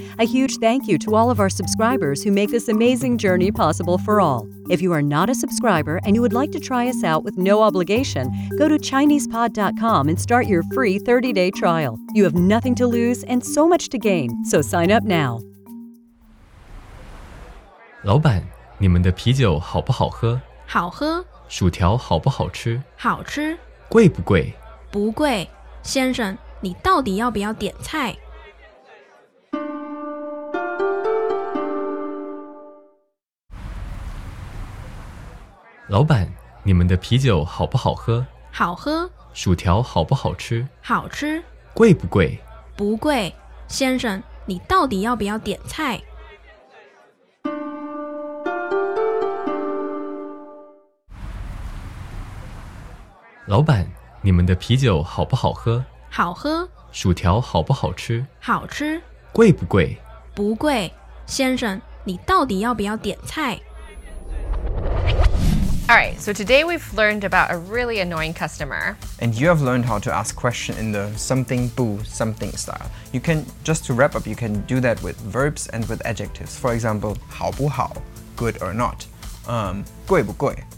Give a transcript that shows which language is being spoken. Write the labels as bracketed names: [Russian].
[English] A huge thank you to all of our subscribers who make this amazing journey possible for all. If you are not a subscriber and you would like to try us out with no obligation, go to ChinesePod.com and start your free 30-day trial. You have nothing to lose and so much to gain, so sign up now. [Chinese] 老板，你们的啤酒好不好喝？好喝。薯条好不好吃？好吃。贵不贵？不贵。先生，你到底要不要点菜？老板，你们的啤酒好不好喝？好喝。薯条好不好吃？好吃。贵不贵？不贵。先生，你到底要不要点菜？老板，你们的啤酒好不好喝？好喝。薯条好不好吃？好吃。贵不贵？不贵。先生，你到底要不要点菜？ [English] Alright, so today we've learned about a really annoying customer. And you have learned how to ask questions in the something boo, something style. You can, just to wrap up, you can do that with verbs and with adjectives. For example, [Chinese] 好不好? [English] Good or not? [Chinese] 贵不贵?